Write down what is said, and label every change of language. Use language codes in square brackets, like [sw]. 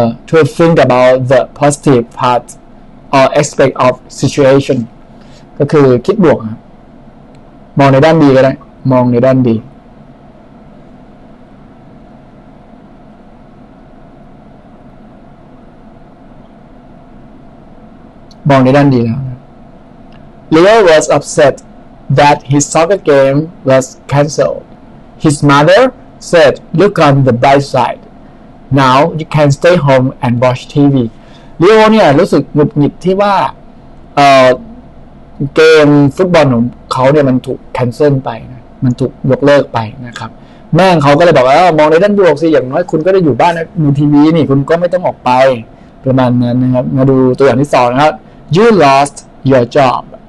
[en] to think about the positive part or aspect of situation [th] ก็คือคิดบวกครับมองในด้านดีก็ได้มองในด้านดีมองในด้านดีแล้ว [en] Leo was upset that his soccer game was cancelled. His mother said, "Look on the bright side. Now you can stay home and watch TV." [th] Leo เนี่ยรู้สึกหงุดหงิดที่ว่าเกมฟุตบอลของเขาเนี่ยมันถูก cancel ไปนะมันถูกยกเลิกไปนะครับแม่เขาก็เลยบอกว่ามองในด้านบวกสิอย่างน้อยคุณก็ได้อยู่บ้านดูทีวีนี่คุณก็ไม่ต้องออกไปประมาณนั้นนะครับมาดูตัวอย่างที่สองนะครับ [en] You lost your job.